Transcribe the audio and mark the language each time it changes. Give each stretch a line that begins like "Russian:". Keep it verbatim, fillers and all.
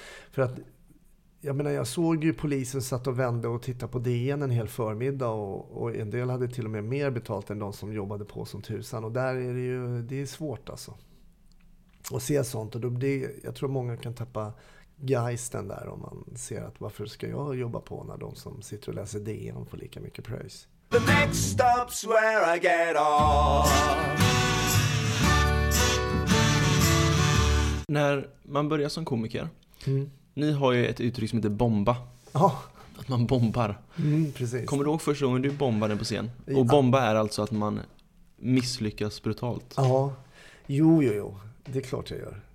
Swedish: För att jag menar, jag såg ju polisen satt och vände och tittade på D N en hel förmiddag och, och en del hade till och med mer betalt än de som jobbade på som tusan och där är det ju, det är svårt alltså att se sånt och då det, jag tror många kan tappa geisten där om man ser att varför ska jag jobba på när de som sitter och läser D N får lika mycket pröjs.
English: The next stop's where I get off.
Swedish: När man börjar som komiker, mm. ni har ju ett uttryck som heter bomba. Ja. Att man bombar. Mm, precis. Kommer du ihåg första gången du bombade på scen? Och ja. Bomba är alltså att man misslyckas brutalt. Ja, jo, jo, jo. Det är klart jag gör.